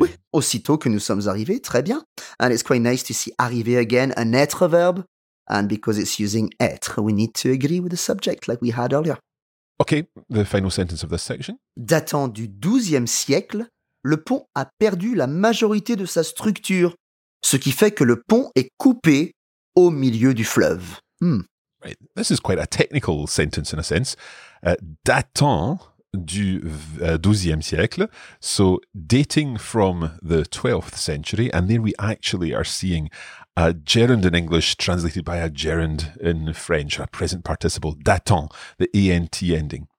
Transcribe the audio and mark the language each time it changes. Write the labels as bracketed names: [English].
[French] Oui, aussitôt que nous sommes arrivés, très bien. [English] And it's quite nice to see arriver again, an être verb. And because it's using être, we need to agree with the subject like we had earlier. Okay, the final sentence of this section. [French] Datant du XIIe siècle, le pont a perdu la majorité de sa structure, ce qui fait que le pont est coupé au milieu du fleuve. [English] Right. This is quite a technical sentence in a sense. [French] Datant du XIIe siècle, [English] so dating from the 12th century, and there we actually are seeing a gerund in English translated by a gerund in French, a present participle, datant, the A-N-T ending.